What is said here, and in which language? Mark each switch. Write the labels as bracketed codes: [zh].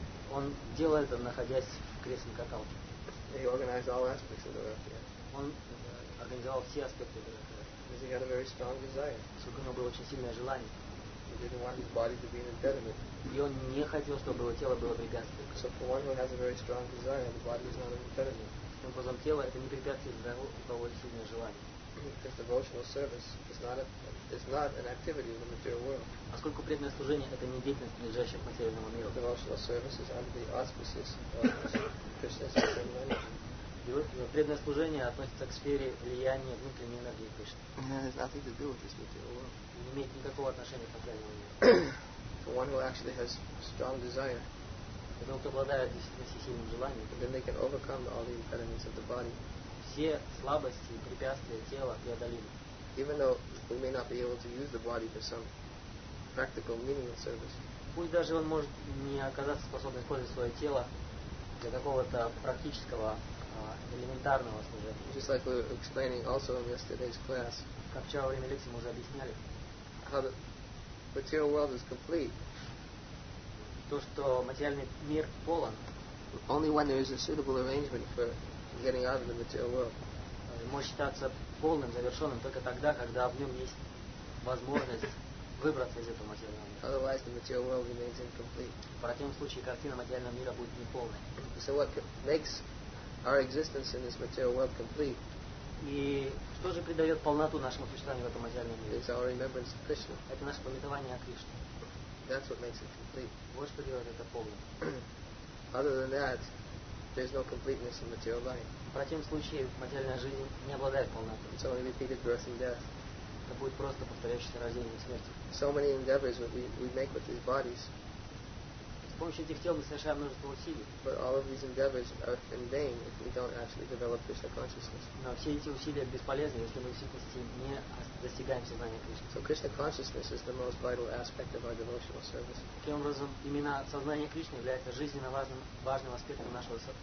[ru] Он делал это, находясь в кресле-каталке. [en] He organized all aspects of the Ratha. [ru] Он организовал все аспекты этого. [en] Because he had a very strong desire. [ru] Поскольку у него было очень сильное желание. [en] He didn't want his body to be an impediment. [ru] И он не хотел, чтобы его тело было препятствием. [en] So for one who has a very strong desire, the body is not an impediment. [ru] Таким образом, тело — это не препятствие для того или сильное желание. [en] Because devotional service is not an activity in the material world. [ru] Поскольку преданное служение — это не деятельность, принадлежащая к материальному миру. [en] Devotional service is under the auspices of Krishna's supreme energy. [ru] Преданное служение относится к сфере влияния внутренней энергии Кришны. [en] It has nothing to do with this material world. [ru] Не имеет никакого отношения к материальному миру. [en] For one who actually has strong desire, [ru] потому что обладает действительно сильным желанием, [en] then they can overcome all the impediments of the body. [ru] Все слабости и препятствия тела преодолимы. [en] Even though we may not be able to use the body for some practical meaningful service. [ru] Пусть даже он может не оказаться способным использовать свое тело для какого-то практического, элементарного служения. [en] Just like we were explaining also in yesterday's class. [ru] Как вчера во время лекции мы уже объясняли. [en] How the material world is complete. [ru] То, что материальный мир полон. [en] Only when there is a suitable arrangement for getting out of the material world. [ru] Может считаться полным, завершенным только тогда, когда в нем есть возможность выбраться из этого материального мира. [en] Otherwise, the material world remains incomplete. [ru] В противном случае картина материального мира будет неполной. [en] So what makes our existence in this material world complete? [ru] И что же придает полноту нашему существованию в этом материальном мире? [en] It's our remembrance of Krishna. [ru] Это наше памятование о Кришне. [en] That's what makes it complete. [ru] Вот что делает это полным. [en] Other than that, there's no completeness in material life. [ru] В противном случае материальная жизнь не обладает полнотой. [en] It's only repeated birth and death. [ru] Это будет просто повторяющееся рождение и смерть. [en] So many endeavors we make with these bodies. [ru] С помощью этих тел мы совершаем множество усилий. [en] But all of these endeavors are in vain if we don't actually develop Krishna consciousness. [ru] Но все эти усилия бесполезны, если мы в действительности не достигаем сознания Кришны. [en] So Krishna consciousness is the most vital aspect of our devotional service. [ru] Таким образом, именно сознание Кришны является жизненно важным аспектом нашего.